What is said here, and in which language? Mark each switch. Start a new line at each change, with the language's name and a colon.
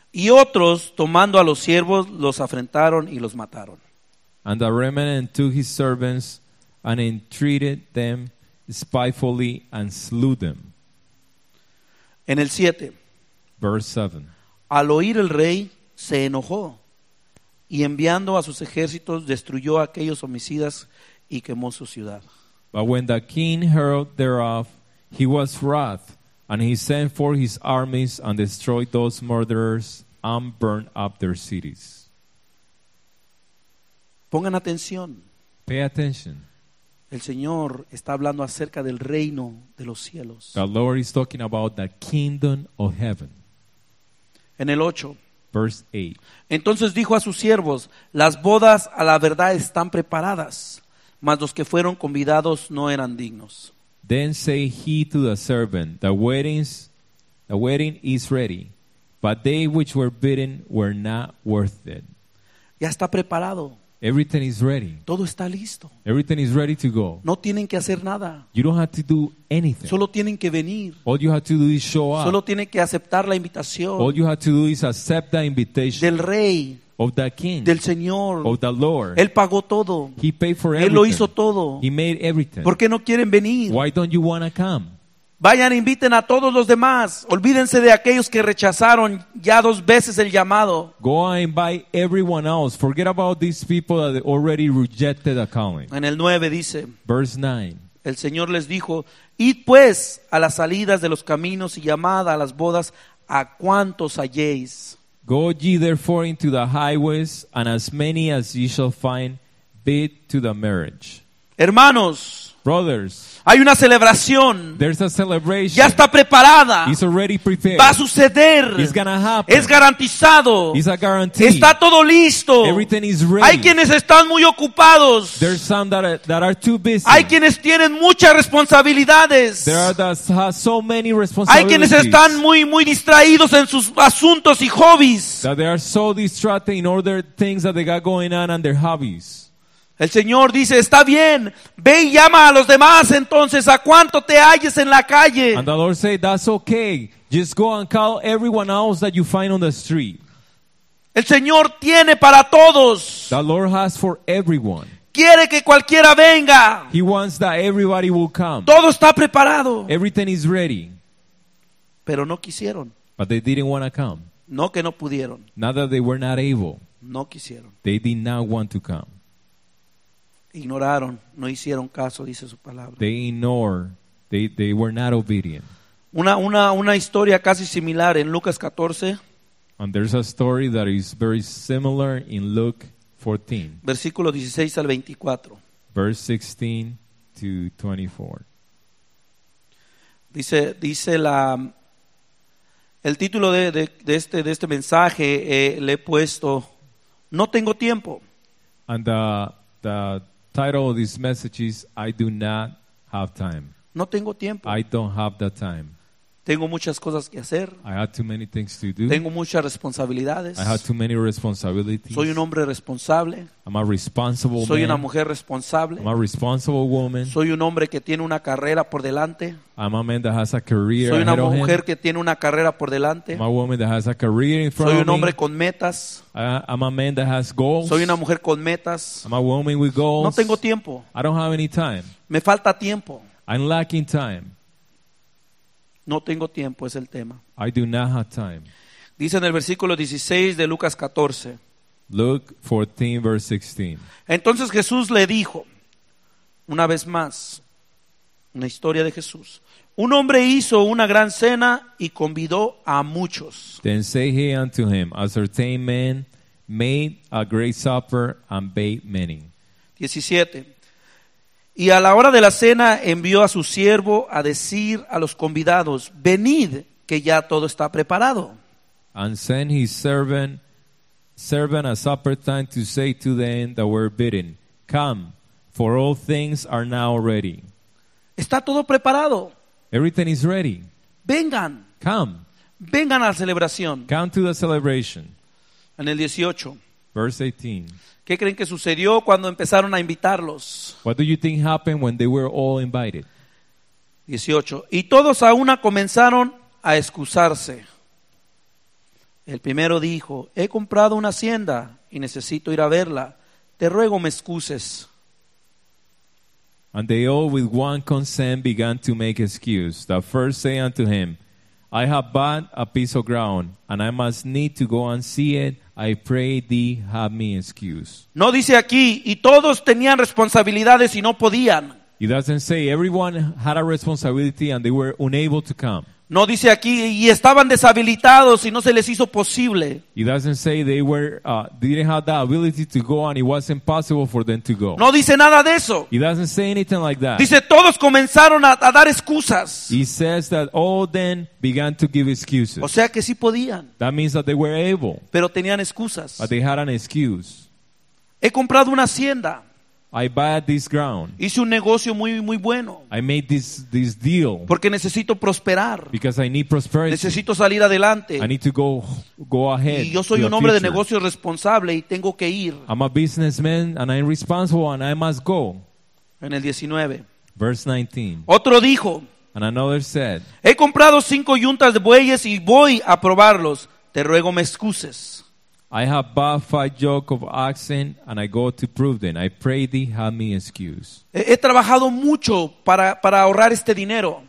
Spanish: Y otros, tomando a los siervos, los afrentaron y los mataron.
English: And the remnant took his servants and entreated them spitefully and slew them.
Spanish: En el 7.
English: Verse 7.
Spanish: Al oír el rey, se enojó. Y enviando a sus ejércitos, destruyó a aquellos homicidas y quemó su ciudad.
English: But when the king heard thereof, he was wroth. And he sent forth his armies and destroyed those murderers and burned up their cities.
Spanish: Pongan atención.
English: Pay attention.
Spanish: El Señor está hablando acerca del reino de los cielos.
English: The Lord is talking about the kingdom of heaven.
Spanish: En el 8.
English: Verse 8.
Spanish: Entonces dijo a sus siervos, las bodas a la verdad están preparadas, mas los que fueron convidados no eran dignos.
English: Then say he to the servant, the wedding is ready, but they which were bidden were not worth it.
Spanish: Ya está preparado.
English: Everything is ready.
Spanish: Todo está listo.
English: Everything is ready to go.
Spanish: No tienen que hacer nada.
English: You don't have to do anything.
Spanish: Solo tienen que venir.
English: All you have to do is show up.
Spanish: Solo tienen que aceptar la invitación.
English: All you have to do is accept the invitation.
Spanish: Del rey.
English: Of the king.
Spanish: Del Señor.
English: Of the Lord.
Spanish: Él pagó todo.
English: He paid for
Spanish: Él
English: everything.
Spanish: Él lo hizo todo.
English: He made everything.
Spanish: ¿Por qué no quieren venir?
English: Why don't you want to come?
Spanish: Vayan, inviten a todos los demás. Olvídense de aquellos que rechazaron ya dos veces el llamado.
English: Go and invite everyone else. Forget about these people that already rejected a calling.
Spanish: En el 9 dice.
English: Verse 9.
Spanish: El Señor les dijo, id pues a las salidas de los caminos y llamad a las bodas a cuantos halléis.
English: Go ye therefore into the highways, and as many as ye shall find, bid to the marriage.
Spanish: Hermanos.
English: Brothers,
Spanish: hay una celebración.
English: There's a celebration.
Spanish: Ya está preparada.
English: It's already prepared.
Spanish: Va a suceder.
English: It's gonna happen.
Spanish: Es garantizado.
English: It's a guarantee.
Spanish: Está todo listo.
English: Everything is ready.
Spanish: Hay quienes están muy ocupados.
English: There's some that are too busy.
Spanish: Hay quienes tienen muchas responsabilidades.
English: There are so many responsibilities.
Spanish: Hay quienes están muy distraídos en sus asuntos y hobbies.
English: That they are so distracted in other things that they got going on and their hobbies.
Spanish: El Señor dice, está bien, ve y llama a los demás entonces, a cuánto te halles en la calle.
English: And the Lord said, that's okay, just go and call everyone else that you find on the street.
Spanish: El Señor tiene para todos.
English: The Lord has for everyone.
Spanish: Quiere que cualquiera venga.
English: He wants that everybody will come.
Spanish: Todo está preparado.
English: Everything is ready.
Spanish: Pero no quisieron.
English: But they didn't want to come.
Spanish: No que no pudieron.
English: Not that they were not able.
Spanish: No quisieron.
English: They did not want to come.
Spanish: Ignoraron, no hicieron caso, dice su palabra.
English: They ignore, they were not obedient.
Spanish: Una historia casi similar en Lucas 14.
English: And there's a story that is very similar in Luke 14.
Spanish: Versículo 16 al 24.
English: Verse 16 to 24.
Spanish: Dice el título de este mensaje le he puesto no tengo tiempo.
English: And the title of this message is I do not have time.
Spanish: No tengo tiempo.
English: I don't have the time.
Spanish: Tengo muchas cosas que hacer.
English: I have too many things to do.
Spanish: Tengo muchas responsabilidades.
English: I have too many responsibilities.
Spanish: Soy un hombre responsable.
English: I'm a responsible
Spanish: Soy
English: man.
Spanish: Una mujer responsable.
English: I'm a responsible woman.
Spanish: Soy un hombre que tiene una carrera por delante.
English: I'm a man that has a career
Spanish: Soy una
English: ahead
Spanish: mujer
English: of
Spanish: que tiene una carrera por delante.
English: I'm a woman that has a career in front
Spanish: Soy un
English: of
Spanish: hombre
English: me.
Spanish: Con metas.
English: I'm a man that has goals.
Spanish: Soy una mujer con metas.
English: I'm a woman with goals.
Spanish: No tengo tiempo.
English: I don't have any time.
Spanish: Me falta tiempo.
English: I'm lacking time.
Spanish: No tengo tiempo, es el tema.
English: I do not have time.
Spanish: Dice en el versículo 16 de Lucas 14.
English: Luke 14, verse 16.
Spanish: Entonces Jesús le dijo, una vez más, una historia de Jesús. Un hombre hizo una gran cena y convidó a muchos.
English: Then say he unto him, a certain man made a great supper and bade many.
Spanish: 17. Y a la hora de la cena envió a su siervo a decir a los convidados, venid, que ya todo está preparado.
English: And sent his servant at supper time to say to them that were bidden, come, for all things are now ready.
Spanish: Está todo preparado.
English: Everything is ready.
Spanish: Vengan.
English: Come.
Spanish: Vengan a la celebración.
English: Come to the celebration.
Spanish: En el 18.
English: Verse 18.
Spanish: ¿Qué creen que sucedió cuando empezaron a invitarlos?
English: What do you think happened when they were all invited?
Spanish: 18. Y todos a una comenzaron a excusarse. El primero dijo, he comprado una hacienda y necesito ir a verla. Te ruego me excuses.
English: And they all with one consent began to make excuse. The first say unto him, I have bought a piece of ground, and I must need to go and see it. I pray thee, have me excuse.
Spanish: No dice aquí, y todos tenían responsabilidades y no podían.
English: It doesn't say everyone had a responsibility and they were unable to come.
Spanish: No dice aquí, y estaban deshabilitados y no se les hizo posible.
English: It doesn't say they were didn't have the ability to go and it wasn't possible for them to go.
Spanish: No dice nada de eso.
English: It doesn't say anything like that.
Spanish: Dice, todos comenzaron a dar excusas.
English: It says that all then began to give excuses.
Spanish: O sea que sí podían.
English: That means that they were able.
Spanish: Pero tenían excusas.
English: But they had an excuse.
Spanish: He comprado una hacienda.
English: I bought this ground.
Spanish: Hice un negocio muy bueno.
English: I made this deal.
Spanish: Porque necesito prosperar.
English: Because I need prosperity.
Spanish: Necesito salir adelante.
English: I need to go ahead.
Spanish: Y yo soy un hombre de negocio responsable y tengo que ir.
English: I'm a businessman and I'm responsible and I must go.
Spanish: En el 19.
English: Verse 19.
Spanish: Otro dijo.
English: And another said.
Spanish: He comprado 5 yuntas de bueyes y voy a probarlos. Te ruego me excuses.
English: I have bought 5 yoke of oxen and I go to prove them. I pray thee, have me excuse.
Spanish: He trabajado mucho para ahorrar este dinero.